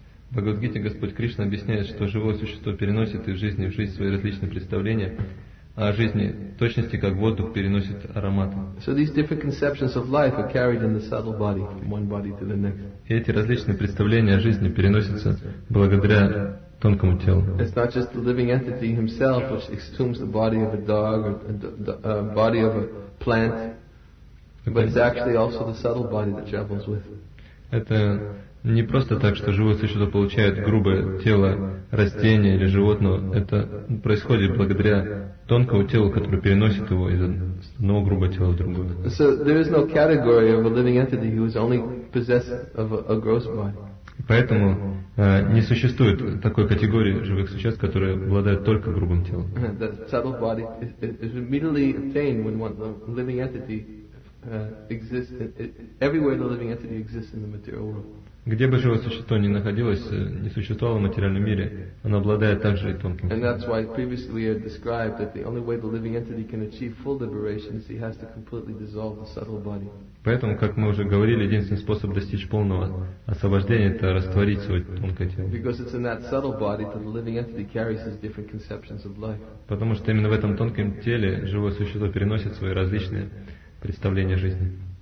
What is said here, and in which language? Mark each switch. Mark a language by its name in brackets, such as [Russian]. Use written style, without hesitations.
[Russian] В Бхагавад-гите Господь Кришна объясняет, что живое существо переносит из жизни в жизнь свои различные представления о жизни, в точности как воздух переносит аромат. [English] So these different conceptions of life are carried in the subtle body from one body to the next. [Russian] И эти различные представления о жизни переносятся благодаря тонкому телу. [English] It's not just the living entity himself which exhumes the body of a dog or the body of a plant, but it's actually also the subtle body that travels with. [Russian] Это не просто так, что живое существо получает грубое тело растения или животного. Это происходит благодаря тонкому телу, которое переносит его из одного грубого тела в другое. [English] So there is no category of a living entity who is only possessed of a gross body. [Russian] Поэтому не существует такой категории живых существ, которые обладают только грубым телом. [English] The subtle body is immediately obtained when one living entity exists. Everywhere the living entity exists in the material world. [Russian] Где бы живое существо ни находилось, не существовало в материальном мире, оно обладает также и тонким телом. [English] And that's why previously we had described that the only way the living entity can achieve full liberation is he has to completely dissolve the subtle body. [Russian] Поэтому, как мы уже говорили, единственный способ достичь полного освобождения — это растворить свое тонкое тело. [English] Because it's in that subtle body that the living entity carries his different conceptions of life. [Russian] Потому что именно в этом тонком теле живое существо переносит свои различные представления о жизни.